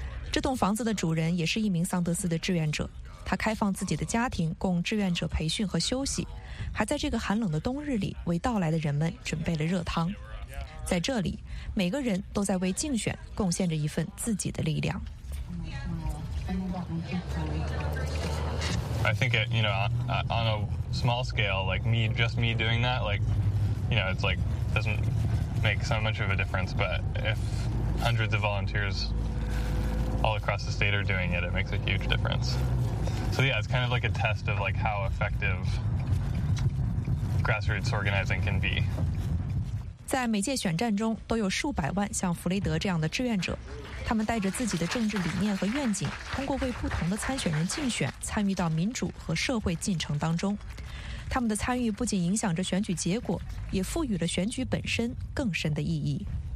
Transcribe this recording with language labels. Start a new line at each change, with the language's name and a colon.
Chinese: 这栋房子的主人也是一名桑德斯的志愿者，他开放自己的家庭供志愿者培训和休息，还在这个寒冷的冬日里为到来的人们准备了热汤。在这里，每个人都在为竞选贡献着一份自己的力量。
English: I think it, you know, on a small scale, like me, just me doing that, like, you know, it's like doesn't make so much of a difference. But if hundreds of volunteers all across the state are doing it, it makes a huge difference. So yeah, it's kind of like a test of like how effective grassroots organizing can be.
Chinese: 在每届选战中，都有数百万像弗雷德这样的志愿者，他们带着自己的政治理念和愿景，通过为不同的参选人竞选，参与到民主和社会进程当中。他们的参与不仅影响着选举结果，也赋予了选举本身更深的意义。